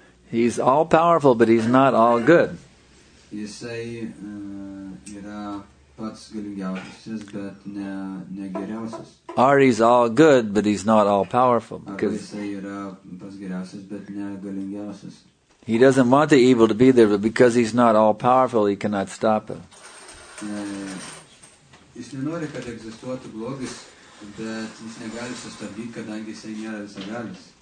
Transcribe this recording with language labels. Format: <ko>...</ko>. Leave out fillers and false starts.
<en>he's all powerful, but he's not all good.</en> <lt>Jisai yra pats galingiausias, bet ne, ne geriausias.</lt> <en>Or he's all good, but he's not all powerful. Because</en> <lt>jisai yra pats geriausias, bet ne galingiausias.</lt> <en>He doesn't want the evil to be there, but because he's not all powerful, he cannot stop it.</en> <lt>Jis nenori, kad egzistuotų blogis, bet jis negali sustabdyti, kadangi jisai nėra visagalis.</lt>